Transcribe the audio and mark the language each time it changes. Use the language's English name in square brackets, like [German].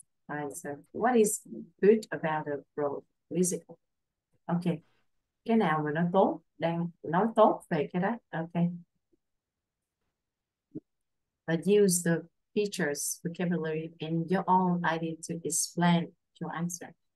[English] Right, so what is good about a pro musical? Ok. [Vietnamese] Cái nào mà nó tốt, đang nói tốt về cái đó. Ok. [English] But use the features, vocabulary, and your own idea to explain your answer.